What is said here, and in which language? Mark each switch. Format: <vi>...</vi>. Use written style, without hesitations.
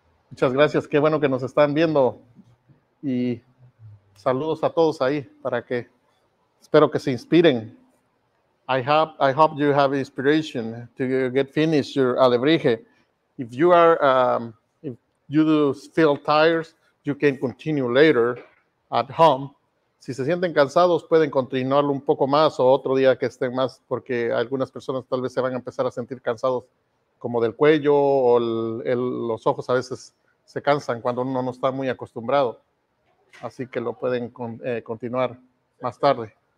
<es>Muchas gracias, qué bueno que nos están viendo y saludos a todos ahí para que espero que se inspiren.</es> <en>I hope you have inspiration to get finished your alebrije. If you are if you do feel tired, you can continue later at home.</en> <es>Si se sienten cansados, pueden continuarlo un poco más o otro día que estén más, porque algunas personas tal vez se van a empezar a sentir cansados como del cuello o los ojos a veces se cansan cuando uno no está muy acostumbrado. Así que lo pueden continuar más tarde.</es>